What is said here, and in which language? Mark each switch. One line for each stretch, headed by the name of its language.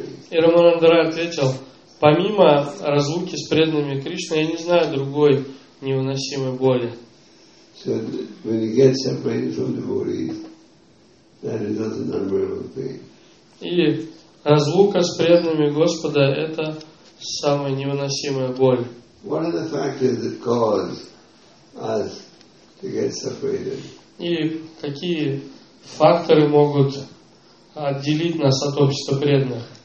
Russian: и Рамананда Рай ответил: помимо разлуки с преданными Кришны, я не знаю другой невыносимой боли.
English: So when you get separated from devotees, that is not an unbearable pain.
Russian: И разлука с преданными Господа – это самая невыносимая боль.
English: What are the factors that cause us to get separated?
Russian: И какие факторы могут отделить нас от общества преданных?